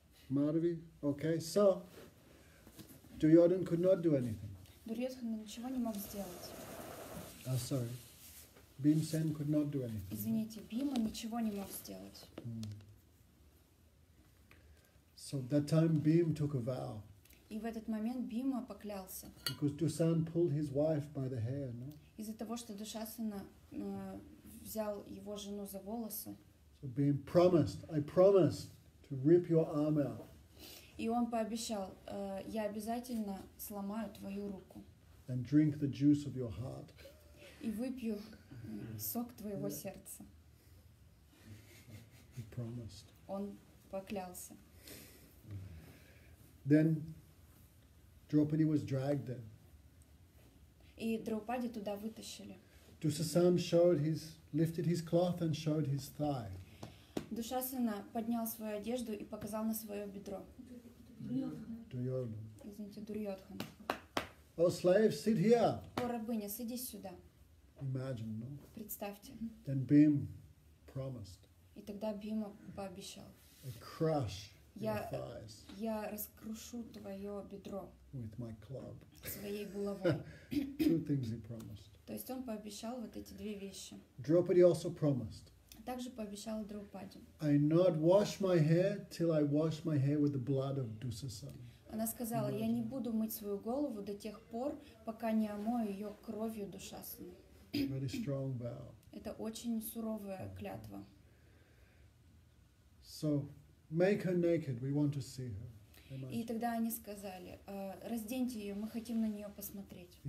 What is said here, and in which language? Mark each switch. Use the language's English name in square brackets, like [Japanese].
[English] Madhavi, okay. So, Duryodhan could not do anything. [Russian] Duryodhan ничего не мог сделать. [English] Oh, sorry. Bhimsen could not do anything. [Russian] Извините, Бима ничего не мог сделать. [English] So that time Bhim took a vow. [Russian] И в этот момент Бима поклялся. [English] Because Dushasana pulled his wife by the hair, no? [Russian] Из-за того, что Dushasana взял его жену за волосы. [English] So Bhim promised, I promise to rip your arm out. [Russian] И он пообещал: я обязательно сломаю твою руку. [English] And drink the juice of your heart. [Russian] И выпью сок твоего сердца. [English] He promised. [Russian] Он поклялся. [English] Then Draupadi was dragged there. [Russian] И Драупади туда вытащили. [English] Dushasana showed his, lifted his cloth and showed his thigh. [Russian] Dushasana поднял свою одежду и показал на свое бедро. [English] Duryodhan. [Russian] Извините, Duryodhan. [English] О, slave, sit here. [Russian] О, рабыня, сиди сюда. [English] Imagine, no? [Russian] Представьте. [English] Then Bhim promised. [Russian] И тогда Бима пообещал. [English] I crush your thighs. [Russian] Я раскрушу твое бедро. [English] With my club. [Russian] Своей булавой. [English] Two things he promised. [Russian] То есть он пообещал вот эти две вещи. [English] Draupadi also promised. [Russian] Также пообещал Драупади. [English] I not wash my hair till I wash my hair with the blood of Dushasana. [Russian] Она сказала: я не буду мыть свою голову до тех пор, пока не омою ее кровью Душасаны. [English] Very strong vow. [Russian] Это очень суровая клятва. [English] So make her naked. We want to see her. [Russian] И тогда они сказали: разденьте ее, мы хотим на нее посмотреть.